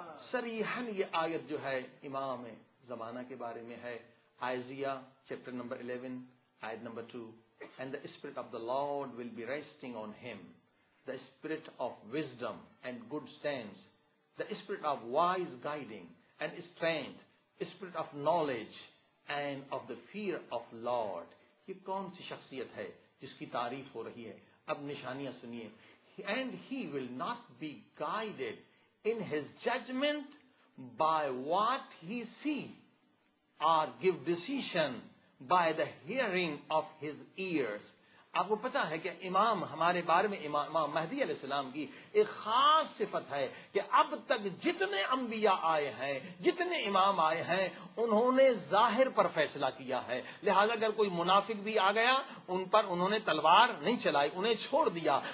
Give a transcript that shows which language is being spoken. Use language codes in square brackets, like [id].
[ur] صریحاً یہ آیت جو ہے امام زمانہ کے بارے میں ہے، عزیہ چیپٹر نمبر 11 آیت number 2، [en] And the spirit of the Lord will be resting on him, the spirit of wisdom and good sense, the spirit of wise guiding and strength, spirit of knowledge and of the fear of Lord. [ur] یہ کون سی شخصیت ہے جس کی تعریف ہو رہی ہے؟ اب نشانیاں سنیے. [en] And he will not be guided in his judgment by what he see or give decision by the hearing of his ears. [ur] آپ کو پتا ہے کہ امام ہمارے بارے میں، امام مہدی علیہ السلام کی ایک خاص صفت ہے کہ اب تک جتنے انبیاء آئے ہیں، جتنے امام آئے ہیں، انہوں نے ظاہر پر فیصلہ کیا ہے. لہذا اگر کوئی منافق بھی آ گیا، ان پر انہوں نے تلوار نہیں چلائی، انہیں چھوڑ دیا.